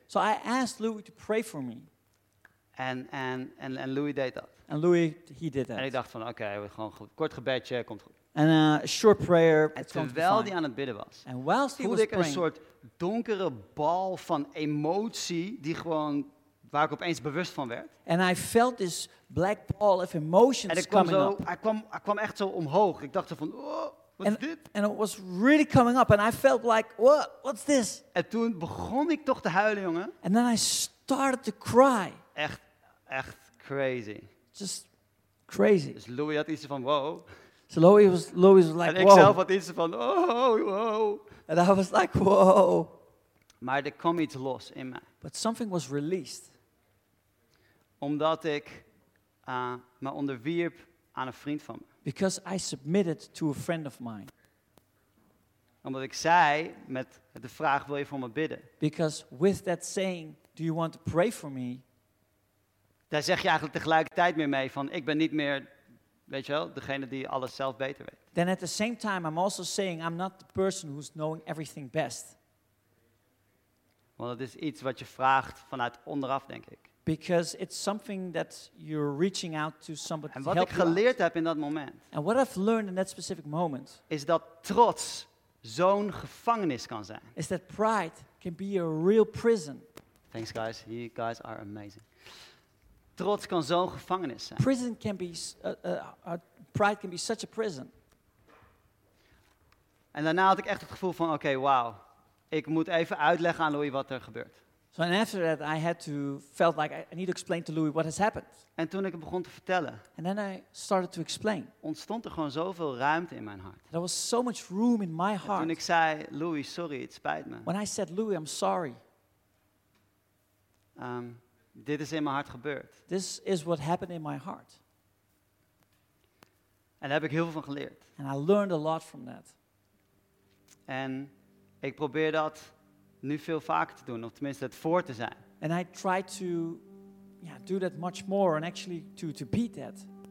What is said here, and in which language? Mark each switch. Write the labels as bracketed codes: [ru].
[en] So I asked Louis to pray for me. [nl] En Louis deed dat. [en] And Louis, he did that. [nl] En ik dacht van, oké, gewoon kort gebedje, komt goed. [en] And a short prayer. [nl] Terwijl hij aan het bidden was. [en] And whilst he was [nl] Voelde ik een soort donkere bal van emotie die gewoon waar ik opeens bewust van werd. [en] And I felt this black ball of emotions coming up. En [nl] ik kwam echt zo omhoog. Ik dacht zo van, wat is dit? [en] And it was really coming up. And I felt like, what's this? [nl] En toen begon ik toch te huilen, jongen. [en] And then I started to cry. [nl] Echt crazy. [en] Just crazy. [nl] Dus Louis had iets van, wow. [en] So Louis was like, [nl] en ik zelf had iets van, wow. [en] And I was like, wow. [nl] Maar er kwam iets los in mij. [en] But something was released. [nl] Omdat ik me onderwierp aan een vriend van me. [en] Because I submitted to a friend of mine. [nl] Omdat ik zei met de vraag, wil je voor me bidden? [en] Because with that saying, do you want to pray for me? [nl] Daar zeg je eigenlijk tegelijkertijd meer mee van, ik ben niet meer, weet je wel, degene die alles zelf beter weet. [en] Then at the same time, I'm also saying, I'm not the person who's knowing everything best. [nl] Want het is iets wat je vraagt vanuit onderaf, denk ik. [en] Because it's something that you're reaching out to somebody to help. [nl] En wat ik geleerd heb in dat moment. [en] And what I've learned in that specific moment. [nl] Is dat trots zo'n gevangenis kan zijn. [en] Is that pride can be a real prison. Thanks guys, you guys are amazing. [nl] Trots kan zo'n gevangenis zijn. [en] Prison can be, pride can be such a prison. [nl] En daarna had ik echt het gevoel van, oké, wow. Ik moet even uitleggen aan Louis wat er gebeurt. [en] So and after that I had to felt like I need to explain to Louis what has happened. [nl] En toen ik het begon te vertellen. [en] And then I started to explain. [nl] Ontstond er gewoon zoveel ruimte in mijn hart. [en] There was so much room in my heart. [nl] En toen ik zei, Louis, sorry, het spijt me. [en] When I said, Louis, I'm sorry. [nl] Dit is in mijn hart gebeurd. [en] This is what happened in my heart. [nl] En daar heb ik heel veel van geleerd. [en] And I learned a lot from that. [nl] En ik probeer dat nu veel vaker te doen, of tenminste het voor te zijn. [en] And I try to do that much more and actually to beat that.